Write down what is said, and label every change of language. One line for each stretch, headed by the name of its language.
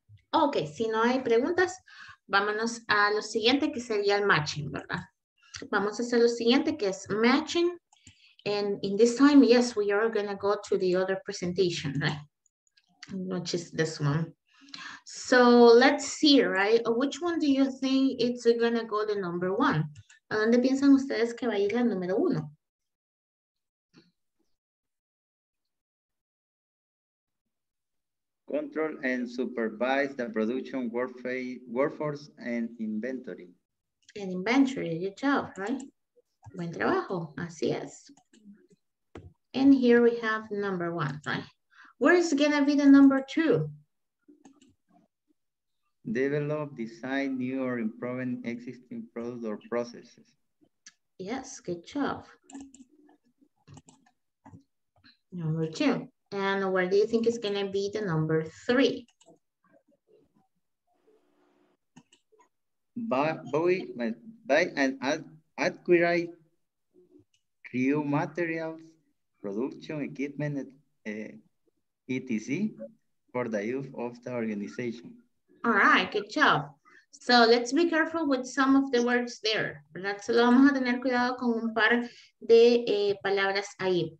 Spanish: Ok, si no hay preguntas, vámonos a lo siguiente que sería el matching, ¿verdad? Vamos a hacer lo siguiente que es matching.
English: And in this time, yes, we are going to go to the other presentation, right? Which is this one. So let's see, right? Which one do you think it's going to go the number one?
Spanish: ¿A dónde piensan ustedes que va a ir la número uno?
English: Control and supervise the production workforce and inventory. And inventory, good job, right?
Spanish: Buen trabajo, así es.
English: And here we have number one, right? Where is gonna be the number two? Develop, design new or improve existing products or processes. Yes, good job. Number two. And where do you think is gonna be the number three? Buy and acquire new materials, production equipment, etc. for the use of the organization. All right, good job. So let's be careful with some of the words there.
Spanish: ¿Verdad? Solo vamos a tener cuidado con un par de palabras ahí.